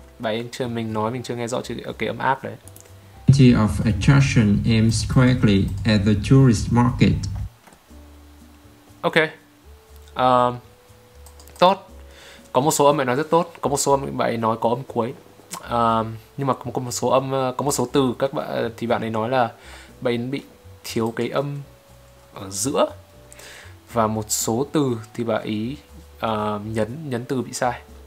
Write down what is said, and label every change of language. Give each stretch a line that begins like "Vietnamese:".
Vietnamese: Bài anh chưa mình nói mình chưa nghe rõ chữ cái âm ác đấy.
English: Plenty of attraction aims squarely at the tourist market. Okay.
Vietnamese: Tốt. Có một số âm bạn nói rất tốt, có một số âm bạn nói có âm cuối. Nhưng mà có một số từ các bạn thì bạn ấy nói là bạn bị thiếu cái âm ở giữa. Và một số từ thì bạn ý nhấn từ bị sai.